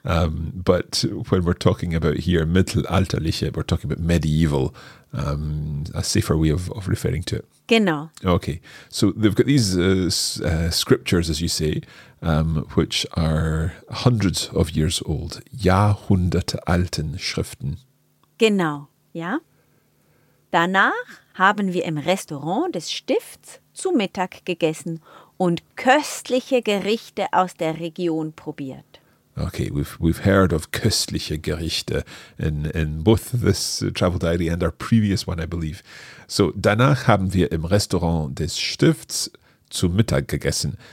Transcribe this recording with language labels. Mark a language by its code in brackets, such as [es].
[en] But when we're talking about here, mittelalterliche, we're talking about medieval, a safer way of referring to it. [de] Genau. [en] Okay. So they've got these scriptures, as you say, which are hundreds of years old. [de] Jahrhunderte alten Schriften. Genau, ja. Danach haben wir im Restaurant des Stifts zu Mittag gegessen und köstliche Gerichte aus der Region probiert. [en] Okay, we've heard of [de] köstliche Gerichte [en] in both this travel diary and our previous one, I believe. [de] So, danach haben wir im Restaurant des Stifts zu Mittag gegessen.